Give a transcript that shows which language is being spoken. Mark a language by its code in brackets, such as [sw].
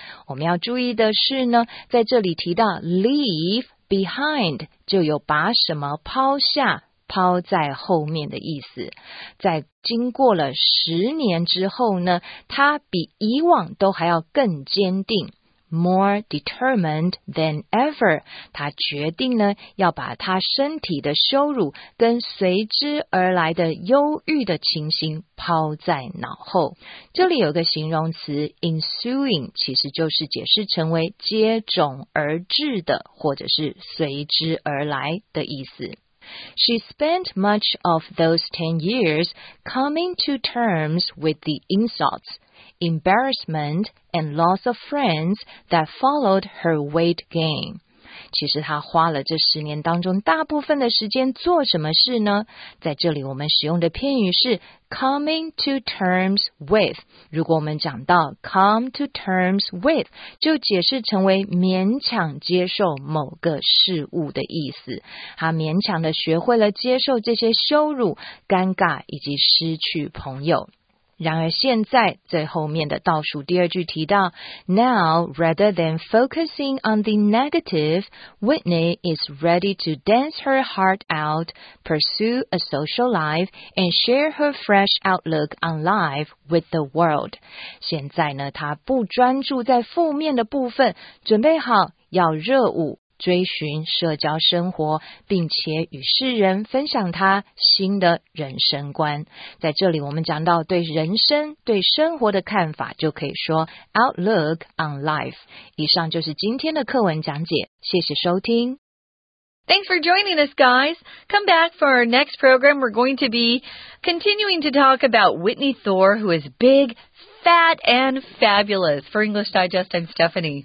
[zh] 我们要注意的是呢，在这里提到 [en] leave behind [zh] 就有把什么抛下抛在后面的意思，在经过了十年之后呢，他比以往都还要更坚定 [en] more determined than ever， [zh] 他决定呢要把他身体的羞辱跟随之而来的忧郁的情形抛在脑后。这里有个形容词 ensuing， 其实就是解释成为接踵而至的或者是随之而来的意思。 [en] She spent much of those 10 years coming to terms with the insults, embarrassment and loss of friends that followed her weight gain。 [zh] 其实他花了这十年当中大部分的时间做什么事呢？在这里我们使用的片语是 [en] coming to terms with。 [zh] 如果我们讲到 [en] come to terms with， [zh] 就解释成为勉强接受某个事物的意思。他勉强的学会了接受这些羞辱、尴尬以及失去朋友。然而现在最后面的倒数第二句提到 [en] Now, rather than focusing on the negative, Whitney is ready to dance her heart out, pursue a social life, and share her fresh outlook on life with the world. [zh] 现在呢，她不专注在负面的部分，准备好要热舞追寻社交生活，并且与世人分享他新的人生观。在这里我们讲到对人生、对生活的看法，就可以说 [en] outlook on life。 [zh] 以上就是今天的课文讲解，谢谢收听。 [en] Thanks for joining us, guys. Come back for our next program. We're going to be continuing to talk about Whitney Thor, who is big, fat, and fabulous. For English Digest, I'm Stephanie.